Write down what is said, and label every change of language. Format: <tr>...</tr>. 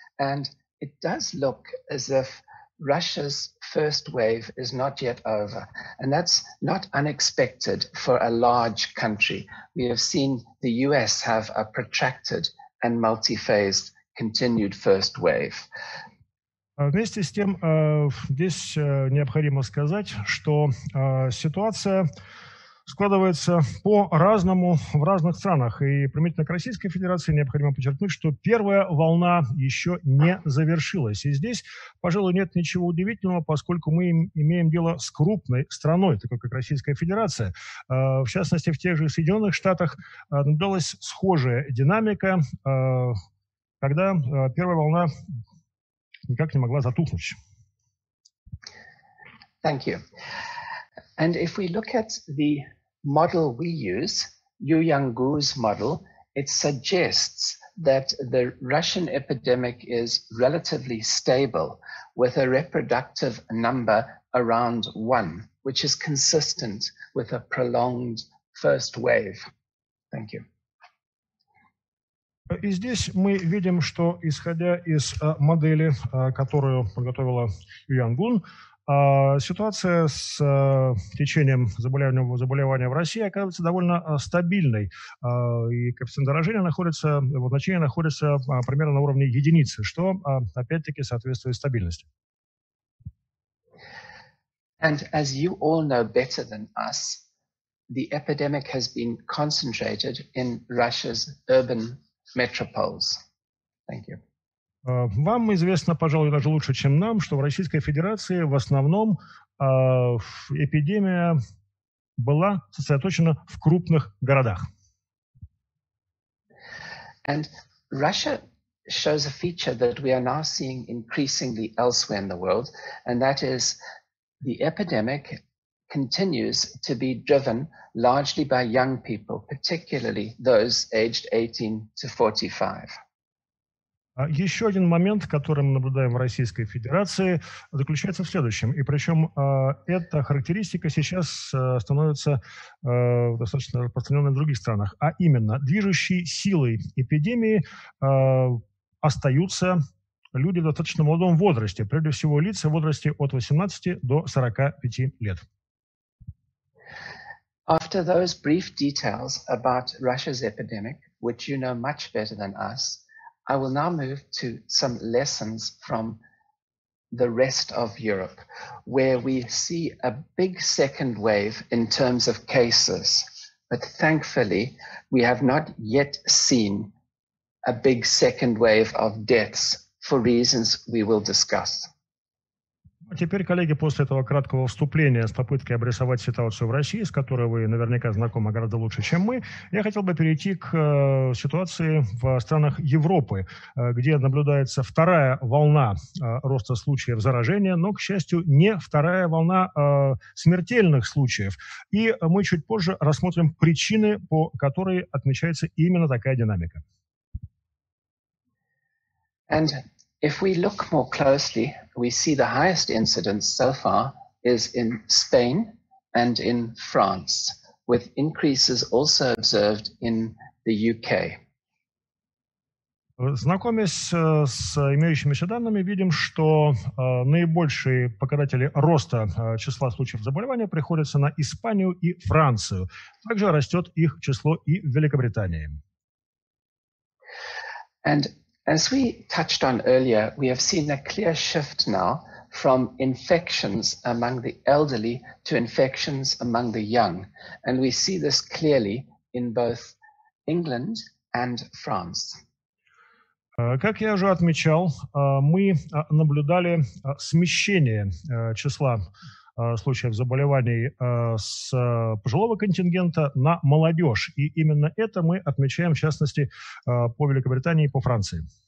<en>And it does look as if Russia's first wave is not yet over. And that's not unexpected for a large country. We have seen the US have a protracted and multi-phased continued first wave.</en> <ru>Вместе с тем, здесь необходимо сказать, что ситуация складывается по-разному в разных странах. И применительно к Российской Федерации необходимо подчеркнуть, что первая волна еще не завершилась. И здесь, пожалуй, нет ничего удивительного, поскольку мы имеем дело с крупной страной, такой как Российская Федерация. В частности, в тех же Соединенных Штатах наблюдалась схожая динамика, когда первая волна никак не могла затухнуть.</ru> <en>Thank you. And if we look at the model we use, Yu-Yang Gu's model, it suggests that the Russian epidemic is relatively stable with a reproductive number around one, which is consistent with a prolonged first wave. Thank you.</en> <ru>И здесь мы видим, что исходя из модели, которую подготовила Юян Гун, ситуация с течением заболевания в России оказывается довольно стабильной, и коэффициент заражения находится, его значение находится примерно на уровне единицы, что опять-таки соответствует стабильности.</ru> <en>And as you all know better than us, the epidemic has been concentrated in Russia's urban metropoles. Thank you.</en> <ru>Вам известно, пожалуй, даже лучше, чем нам, что в Российской Федерации в основном эпидемия была сосредоточена в крупных городах.</ru> <en>And Russia shows a feature that we are now seeing increasingly elsewhere in the world, and that is the epidemic continues to be driven largely by young people, particularly those aged 18 to 45.</en> <ru>Еще один момент, который мы наблюдаем в Российской Федерации, заключается в следующем. И причем эта характеристика сейчас становится достаточно распространенной в других странах. А именно, движущей силой эпидемии остаются люди в достаточно молодом возрасте, прежде всего лица в возрасте от 18 до 45 лет.</ru> <en>After those brief details about Russia's epidemic, which you know much better than us, I will now move to some lessons from the rest of Europe, where we see a big second wave in terms of cases. But thankfully, we have not yet seen a big second wave of deaths for reasons we will discuss.</en> <ru>А теперь, коллеги, после этого краткого вступления с попыткой обрисовать ситуацию в России, с которой вы наверняка знакомы гораздо лучше, чем мы, я хотел бы перейти к ситуации в странах Европы, где наблюдается вторая волна роста случаев заражения, но, к счастью, не вторая волна смертельных случаев. И мы чуть позже рассмотрим причины, по которой отмечается именно такая динамика.</ru> <en>And if we look more closely, we see the highest incidence so far is in Spain and in France, with increases also observed in the UK.</en> <ru>Знакомясь с имеющимися данными, видим, что наибольшие показатели роста числа случаев заболевания приходятся на Испанию и Францию. Также растет их число и в Великобритании.</ru> <en>And as we touched on earlier, we have seen a clear shift now from infections among the elderly to infections among the young. And we see this clearly in both England and France.</en> <ru>Как я уже отмечал, мы наблюдали смещение числа случаев заболеваний с пожилого контингента на молодежь. И именно это мы отмечаем, в частности, по Великобритании и по Франции.</ru>